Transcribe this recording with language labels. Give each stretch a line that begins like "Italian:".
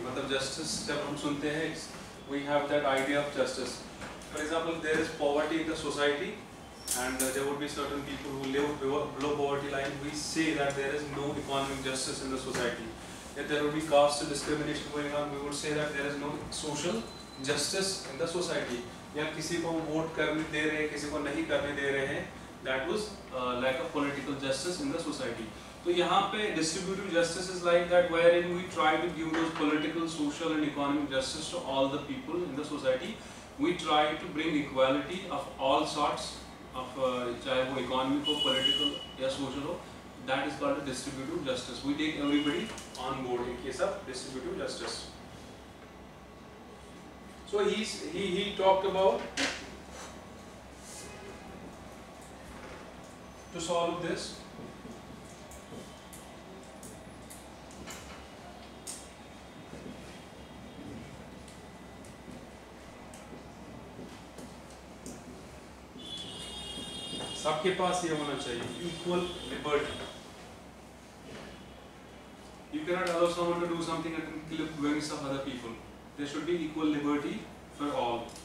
Hindi: Matlab justice, jab hum sunte hai,
English: we have that idea of justice. For example, there is poverty in the society, and there would be certain people who live below poverty line. We say that there is no economic justice in the society. If there would be caste discrimination going on, we would say that there is no social justice in the society,
Hindi: या किसी को vote करने दे रहे हैं किसी को नहीं करने दे रहे हैं,
English: That was lack of political justice in the society.
Hindi: तो यहाँ पे
English: Distributive justice is like that where in we try to give those political social and economic justice to all the people in the society. We try to bring equality of all sorts of,
Hindi: चाहे वो economic हो, political या social हो.
English: That is called a distributive justice. We take everybody on board in case of distributive justice. So he talked about to solve this.
Hindi: सबके पास ये होना चाहिए
English: equal liberty. You cannot allow someone to do something at the expense of other people. There should be equal liberty for all.